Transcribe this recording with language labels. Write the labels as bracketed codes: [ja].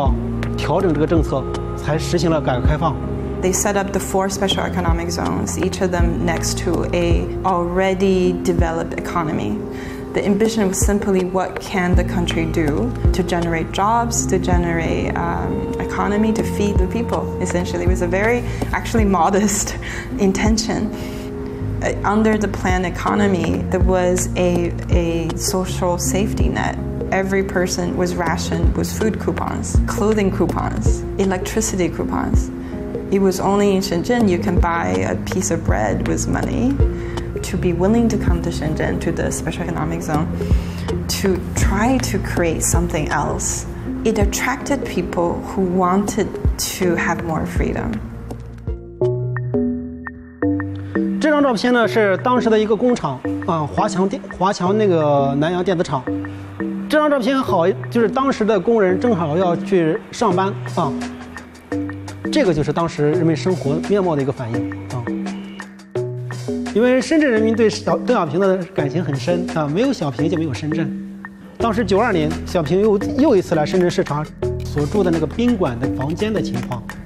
[zh] 政策有问题，不是部队能管得了的，所以我们要调整这个政策，才实行了改革开放。 [en] They set up the four special economic zones, each of them next to a already developed economy. The ambition was simply what can the country do to generate jobs, to generate economy, to feed the people, essentially. It was a very actually modest intention. Under the planned economy, there was a social safety net. Every person was rationed with food coupons, clothing coupons, electricity coupons. It was only in Shenzhen you can buy a piece of bread with money to be willing to come to Shenzhen, to the special economic zone, to try to create something else. It attracted people who wanted to have more freedom. This photo is the factory at the time, Huaqiangbei, the Nanyang Electronics Plant. This photo is the time of the workers were going to work. [zh] 这个就是当时人们生活面貌的一个反应，因为深圳人民对邓小平的感情很深，没有小平就没有深圳。当时92年，小平又一次来深圳视察，所住的那个宾馆的房间的情况。